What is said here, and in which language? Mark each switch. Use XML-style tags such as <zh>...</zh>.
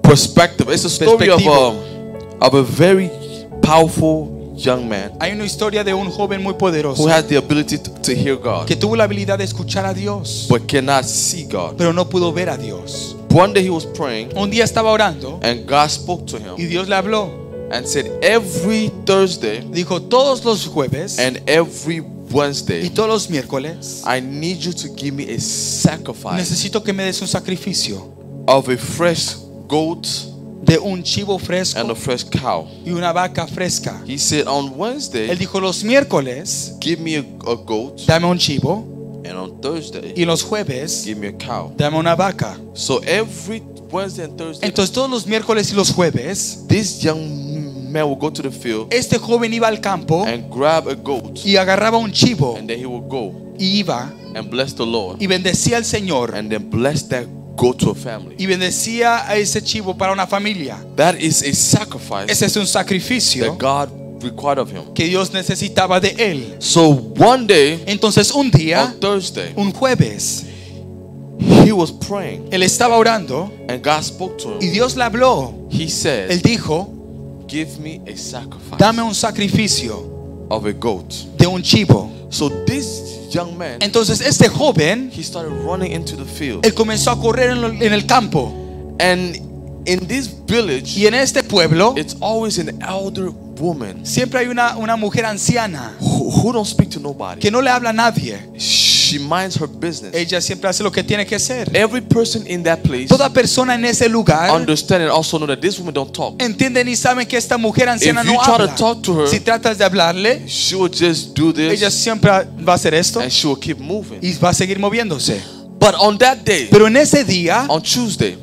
<en>Perspective. It's a story of a very powerful young man.</en> <es>Hay una historia de un joven muy poderoso.</es> <en>Who had the ability to hear God.</en> <es>Que tuvo la habilidad de escuchar a Dios.</es> <en>But cannot see God.</en> <es>Pero no pudo ver a Dios.</es> <en>One day he was praying.</en> <es>Un día estaba orando.</es> <en>And God spoke to him.</en> <es>Y Dios le habló.</es> <en>and said every Thursday,</en> <es>dijo todos los jueves,</es> <en>and every Wednesday,</en> <es>y todos los miércoles,</es> <en>I need you to give me a sacrifice,</en> <es>necesito que me des un sacrificio,</es> <en>of a fresh goat,</en> <es>de un chivo fresco,</es> <en>and a fresh cow,</en> <es>y una vaca fresca.</es> <en>He said on Wednesday,</en> <es>él dijo los miércoles,</es> <en>give me a goat,</en> <es>dame un chivo,</es> <en>and on Thursday,</en> <es>y los jueves,</es> <en>give me a cow,</en> <es>dame una vaca.</es> <en>So every Wednesday and Thursday,</en> <es>entonces todos los miércoles y los jueves,</es> <en>this young man would go to the field,</en> <es>este joven iba al campo,</es> <en>and grab a goat,</en> <es>y agarraba un chivo,</es> <en>and then he would go,</en> <es>y iba,</es> <en>and bless the Lord,</en> <es>y bendecía al Señor,</es> <en>and then bless that goat to a family,</en> <es>y bendecía a ese chivo para una familia.</es> <en>That is a sacrifice.</en> <es>Ese es un sacrificio</es> <en>that God required of him.</en> <es>Que Dios necesitaba de él.</es> <en>So one day,</en> <es>entonces un día,</es> <en>on Thursday,</en> <es>un jueves,</es> <en>he was praying,</en> <es>él estaba orando,</es> <en>and God spoke to him,</en> <es>y Dios le habló.</es> <en>He said,</en> <es>él dijo,</es> <en>give me a sacrifice,</en> <es>dame un sacrificio,</es> <en>of a goat,</en> <es>de un chivo.</es> <en>So this young man,</en> <es>entonces este joven,</es> <en>he started running into the field,</en> <es>él comenzó a correr en el campo.</es> <en>And in this village,</en> <es>y en este pueblo,</es> <en>it's always an elder woman,</en> <es>siempre hay una mujer anciana,</es> <en>who don't speak to nobody,</en> <es>que no le habla a nadie.</es> <en>She minds her business.</en> <es>Ella siempre hace lo que tiene que hacer.</es> <en>Every person in that place,</en> <es>toda persona en ese lugar,</es> <en>understand and also know that this woman don't talk.</en> <es>Entienden y saben que esta mujer anciana no habla.</es> <en>If you try to talk to her,</en> <es>si tratas de hablarle,</es> <en>she will just do this.</en> <es>Ella siempre va a hacer esto.</es> <en>And she will keep moving.</en> <es>Y va a seguir moviéndose.</es> <en>But on that day,</en> <es>pero en ese día,</es> <en>on Tuesday,</en>